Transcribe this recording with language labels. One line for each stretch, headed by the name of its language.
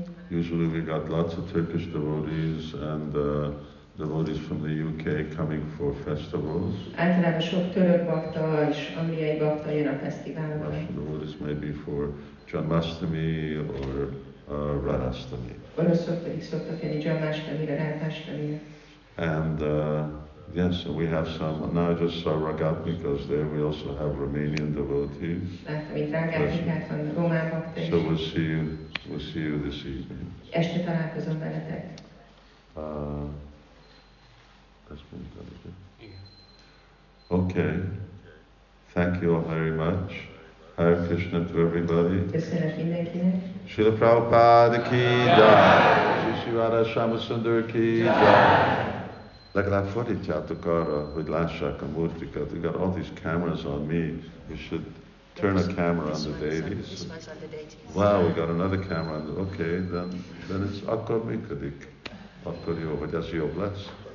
English: Usually we got lots of Turkish devotees and devotees from the UK coming for festivals.
Hungarian: Általában sok török bakta és angliai bakta jön a fesztiválra.
English: Devotees maybe for Janmashtami or Radhashtami. And yes, so we have some, now I just saw Ragatmikas there, we also have Romanian devotees. So we'll see you this evening. Okay, thank you all very much. Hare Krishna to everybody. Srila Prabhupada ki jai. Shri Radha Shyama Sundar ki jai.
Hungarian: Legalább fordítjátok arra, hogy lássák a murtikat.
English: You got all these cameras on me. You should turn a camera on the deities. Wow, we got another camera on the... Okay, then it's
Hungarian: akkor működik. Akkor jó, vagy ez jobb lesz.